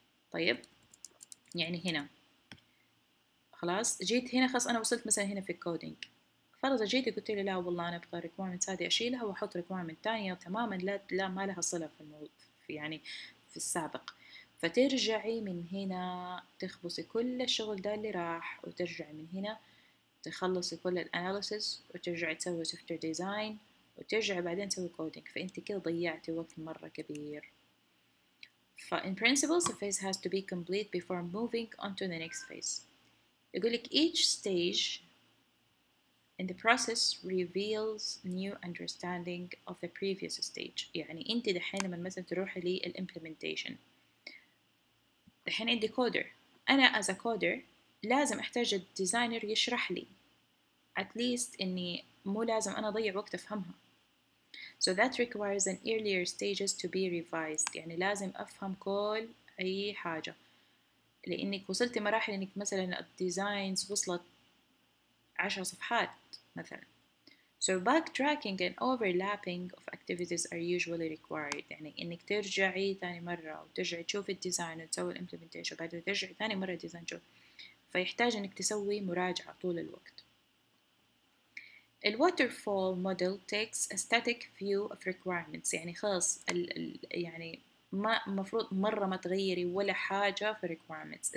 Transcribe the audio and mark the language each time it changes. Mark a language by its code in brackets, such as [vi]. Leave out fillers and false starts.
[ar] طيب يعني هنا خلاص جيت هنا خلاص أنا وصلت مثلا هنا في الكودينج، فرضا جيت قلت لي لا والله أنا أبغى requirements هذه أشيلها وأحط requirements تانية تماما، لا ما لها صلة في الموضوع يعني في السابق، فترجعي من هنا تخبصي كل الشغل ده اللي راح، وترجعي من هنا تخلصي كل الأناليسز وترجعي تسوي software design وترجعي بعدين تسوي كودينج، فأنت كده ضيعتي وقت مرة كبير. [en] In principle, the phase has to be complete before moving on to the next phase. [ar] يقول لك [en] each stage and the process reveals new understanding of the previous stage. [ar] يعني انت دحين لما مثلا تروحي للimplementation دحين عندي كودر، انا [en] as a coder [ar] لازم احتاج الديزاينر يشرح لي [en] at least [ar] اني مو لازم انا اضيع وقت افهمها. [en] So that requires an earlier stages to be revised. [ar] يعني لازم افهم كل اي حاجة، لانك وصلت مراحل انك مثلا الديزاينز وصلت 10 صفحات مثلا. [en] So backtracking and overlapping of activities are usually required. [ar] يعني انك ترجعي ثاني مرة وترجعي تشوفي الديزاين وتسوي الامبلمنتيشن بعد ترجعي ثاني مرة الديزاين تشوف، فيحتاج انك تسوي مراجعة طول الوقت. [en] الواترفول model takes a static view of requirements. [ar] يعني خلاص يعني ما مفروض مرة ما تغيري ولا حاجة في requirements.